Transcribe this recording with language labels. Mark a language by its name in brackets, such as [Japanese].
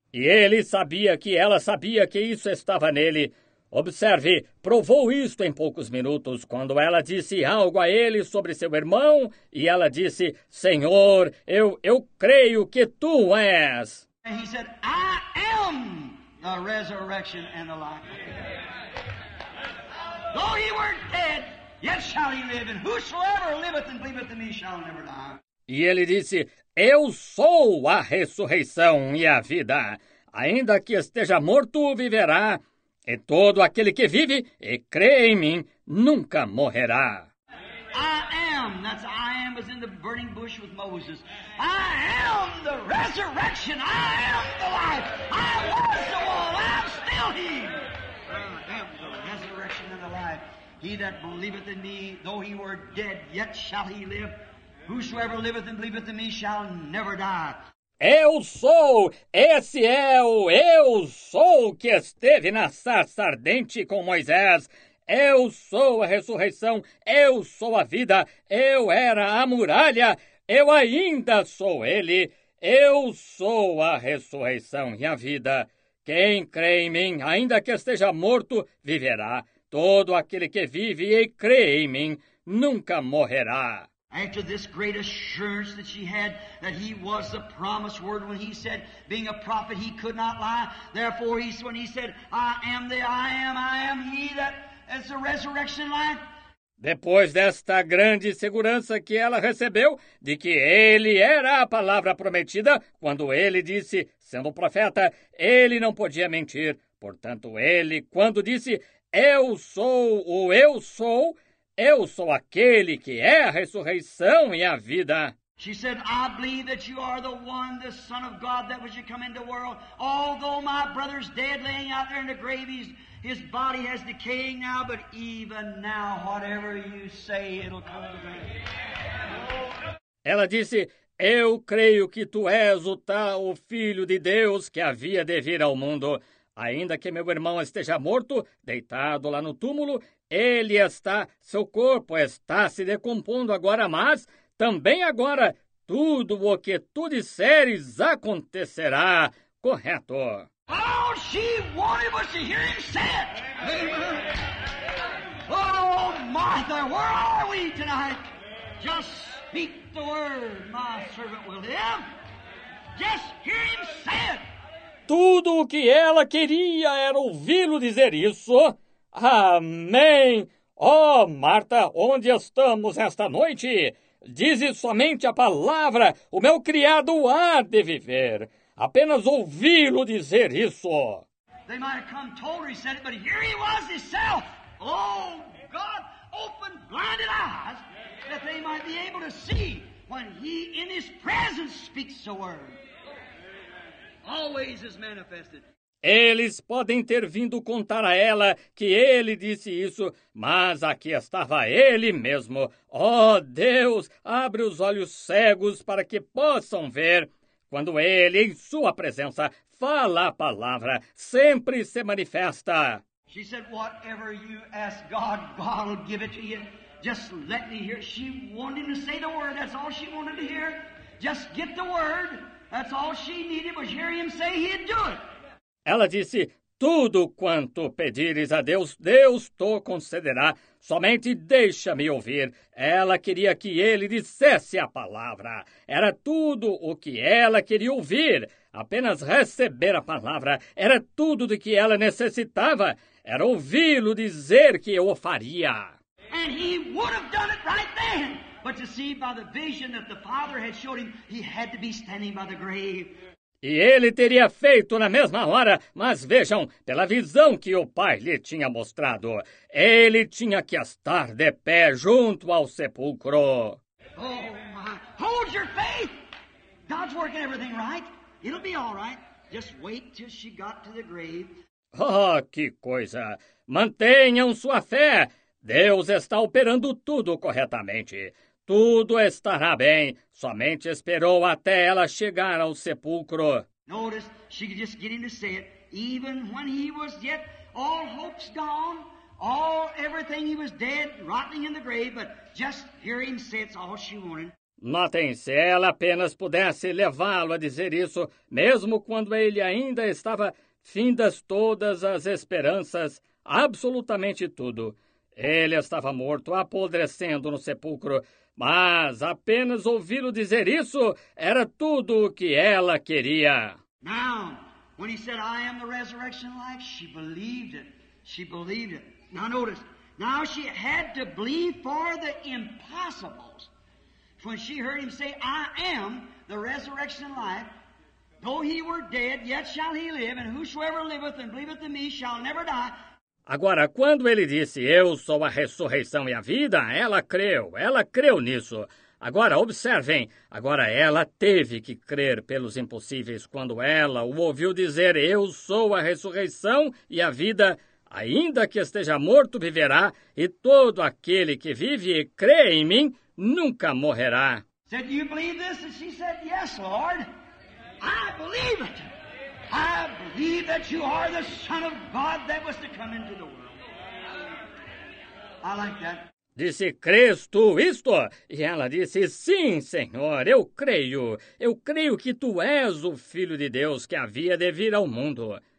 [Portuguese] E ele sabia que ela sabia que isso estava nele. Observe, provou isto em poucos minutos quando ela disse algo a ele sobre seu irmão. E ela disse, "Senhor, eu creio que tu és." [English] And he said, "I am the resurrection and the life." Though he were dead, yet shall he live, and whosoever liveth and believeth in me shall never die. [Portuguese] E ele disse, "Eu sou a ressurreição e a vida. Ainda que esteja morto, viverá. E todo aquele que vive e crê em mim, nunca morrerá." [English] I am, that's I am was in the burning bush with Moses. I am the resurrection. I am the life. I was the wall. I'm still he. I am the resurrection and the life. He that believeth in me, though he were dead, yet shall he live. Whosoever liveth and believeth in me shall never die. [Portuguese] Eu sou, esse é o eu sou que esteve na sarça ardente com Moisés. Eu sou a ressurreição, eu sou a vida, eu era a muralha, eu ainda sou ele. Eu sou a ressurreição e a vida. Quem crê em mim, ainda que esteja morto, viverá. Todo aquele que vive e crê em mim, nunca morrerá. [English] After this great assurance that she had that he was the promised word when he said, being a prophet, he could not lie. Therefore, when he said, I am he that is the resurrection life. [Portuguese] Depois desta grande segurança que ela recebeu de que ele era a palavra prometida, quando ele disse, sendo profeta, ele não podia mentir. Portanto, ele, quando disse, eu sou o eu sou, eu sou aquele que é a ressurreição e a vida. [English] She said, I believe that you are the one, the Son of God, that was to come into the world. Although my brother's dead, laying out there in the grave, his body has decaying now, but even now, whatever you say, it'll come to pass. [Portuguese] Ela disse, eu creio que tu és o tal Filho de Deus que havia de vir ao mundo. Ainda que meu irmão esteja morto, deitado lá no túmulo, ele está, seu corpo está se decompondo agora, mas também agora tudo o que tu disseres acontecerá. Correto. [English] All she wanted was to hear him say it. Amen. Oh, Martha, where are we tonight? Just speak the word, my servant will live. Just hear him say it. [Portuguese] Tudo o que ela queria era ouvi-lo dizer isso. Amém! Oh, Marta, onde estamos esta noite? Dize somente a palavra, o meu criado há de viver. Apenas ouvi-lo dizer isso. [English] They might have come told her, he said it, but here he was himself. Oh, God, open blinded eyes, that they might be able to see when he in his presence speaks the word. Always is manifested. [Portuguese] Eles podem ter vindo contar a ela que ele disse isso, mas aqui estava ele mesmo. Oh, Deus, abre os olhos cegos para que possam ver. Quando ele, em sua presença, fala a palavra, sempre se manifesta. [English] She said, whatever you ask God, God will give it to you. Just let me hear. She wanted him to say the word. That's all she wanted to hear. Just get the word. That's all she needed was hear him say he'd do it. [Portuguese] Ela disse, tudo quanto pedires a Deus, Deus te concederá. Somente deixa-me ouvir. Ela queria que ele dissesse a palavra. Era tudo o que ela queria ouvir. Apenas receber a palavra. Era tudo de que ela necessitava. Era ouvi-lo dizer que eu o faria. [English] And he would have done it right then. But to see by the vision that the Father had showed him, he had to be standing by the grave. [Portuguese] E ele teria feito na mesma hora, mas vejam, pela visão que o pai lhe tinha mostrado, ele tinha que estar de pé junto ao sepulcro. [English] Oh, my. Hold your faith! God's working everything right. It'll be all right. Just wait till she got to the grave. [Portuguese] Oh, que coisa! Mantenham sua fé! Deus está operando tudo corretamente. Tudo estará bem. Somente esperou até ela chegar ao sepulcro. [English] Notice, she could just get him to say it. Even when he was yet all hopes gone, all everything he was dead, rotting in the grave, but just hear him say it's all she wanted. [Portuguese] Notem, se ela apenas pudesse levá-lo a dizer isso, mesmo quando ele ainda estava findas todas as esperanças, absolutamente tudo. Ele estava morto, apodrecendo no sepulcro, mas apenas ouvi-lo dizer isso era tudo o que ela queria. [English] Now, when he said, I am the resurrection life, she believed it. She believed it. Now notice, now she had to believe for the impossibles. When she heard him say, I am the resurrection life, though he were dead, yet shall he live, and whosoever liveth and believeth in me shall never die. [Portuguese] Agora, quando ele disse, eu sou a ressurreição e a vida, ela creu nisso. Agora, observem, agora ela teve que crer pelos impossíveis quando ela o ouviu dizer: eu sou a ressurreição e a vida, ainda que esteja morto, viverá, e todo aquele que vive e crê em mim nunca morrerá. [English] Said, do you believe this? And she said, yes, Lord. I believe it. I believe that you are the Son of God that was to come into the world. I like that. [Portuguese] Disse, crês tu isto? E ela disse, sim, Senhor, eu creio. Eu creio que tu és o Filho de Deus que havia de vir ao mundo.